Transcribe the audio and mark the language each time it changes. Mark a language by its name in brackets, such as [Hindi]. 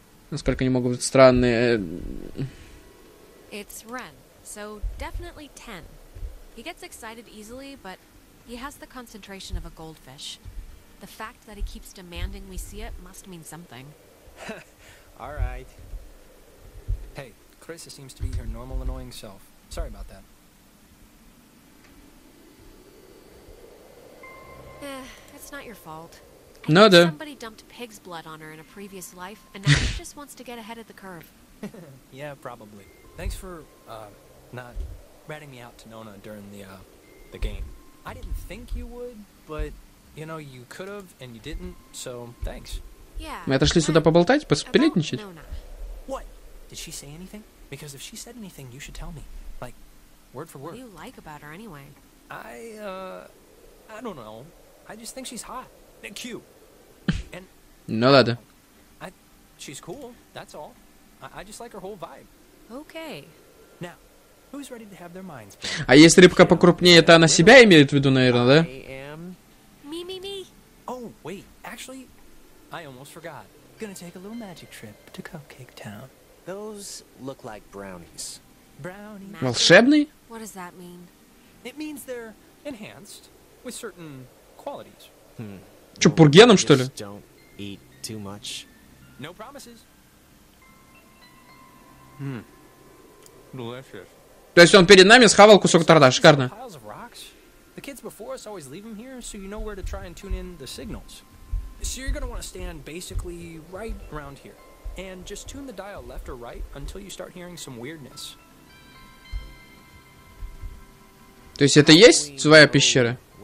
[Russian] Насколько они могут быть странные. Это Рен, так definitely 10. [English] He gets excited easily, but he has the concentration of a goldfish. The fact that he keeps demanding we see it must mean something. All right. Hey, Chris seems to be your normal annoying self. Sorry about that. It's not your fault. No, I think somebody dumped pig's blood on her in a previous life, and now she just wants to get ahead of the curve. Yeah, probably. Thanks for, not... ratting me out to Nona during the game. I didn't think you would, but you know you could have and you didn't, so thanks. Yeah. [Russian] Мы отошли сюда поболтать, посплетничать. [English] What? Did she say anything? Because if she said anything, you should tell me. Like word for word. What do you like about her anyway? I don't know. I just think she's hot. And cute. And No [Russian] ладно. [English] She's cool, that's all. I just like her whole vibe. Okay. Now Who's ready to have their minds? [Russian] А если рыбка покрупнее, это она себя имеет в виду, наверное, да? [English] Me. Oh, wait. Actually, I almost forgot. Gonna take a little magic trip to Cupcake Town. Those look like brownies. Brownies. [Russian] Волшебный? [English] What does that mean? It means they're enhanced with certain qualities. [Russian] Что, пургеном, что ли? [English] Don't eat too much. No promises. Delicious. [Russian] То есть он перед нами схавал кусок торта, шикарно. [English] The kids before us always leave him here, so you know where to try and tune in the signals. So you're gonna want to stand basically right around here, and just tune the dial left or right until you start hearing some weirdness. [Russian] То есть это есть своя пещера?